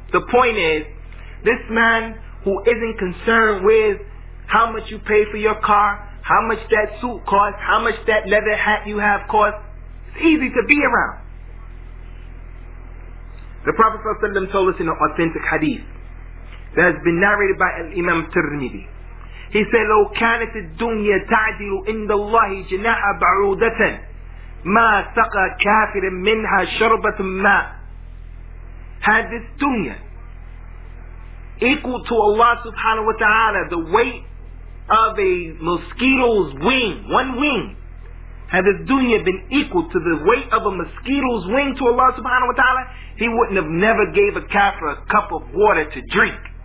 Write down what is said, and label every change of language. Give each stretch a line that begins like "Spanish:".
English: The point is, this man who isn't concerned with how much you pay for your car, how much that suit costs, how much that leather hat you have costs, it's easy to be around. The Prophet sallallahu alaihi wasallam told us in an authentic hadith that has been narrated by Imam Tirmidhi. He said,
Arabic: لو كانت الدنيا تعدل عند الله جناح بعوضة ما سقى كافر منها شربة ماء.
English: Had this dunya equal to Allah subhanahu wa ta'ala, the weight of a mosquito's wing, one wing, had this dunya been equal to the weight of a mosquito's wing to Allah subhanahu wa ta'ala, he wouldn't have never gave a kafir a cup of water to drink.